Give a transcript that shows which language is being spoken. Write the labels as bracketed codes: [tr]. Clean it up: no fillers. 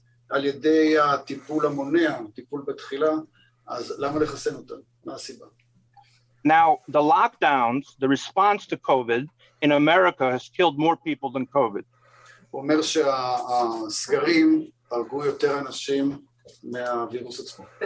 [he] על ידי הטיפול המונע, טיפול בתחילה, אז למה לחסן אותם? מה הסיבה? [en] Now, the lockdowns, the response to COVID in America has killed more people than COVID. [he] הוא אומר שהסגרים הרגו יותר אנשים מהווירוס עצמו.